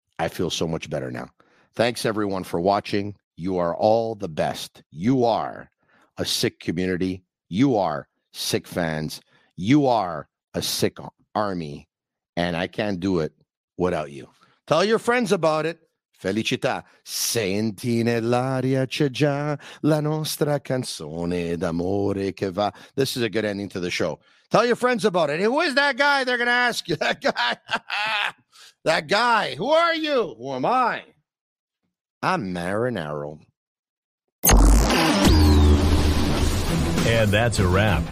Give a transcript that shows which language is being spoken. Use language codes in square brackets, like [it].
[en] I feel so much better now. Thanks everyone for watching. You are all the best. You are a Sick community. You are Sick fans. You are a Sick army. And I can't do it without you. Tell your friends about it. [it] Felicità, senti nell'aria c'è già la nostra canzone d'amore che va. [en] This is a good ending to the show. Tell your friends about it. Hey, who is that guy? They're going to ask you. That guy. That guy. Who are you? Who am I? I'm Marinaro. And that's a wrap.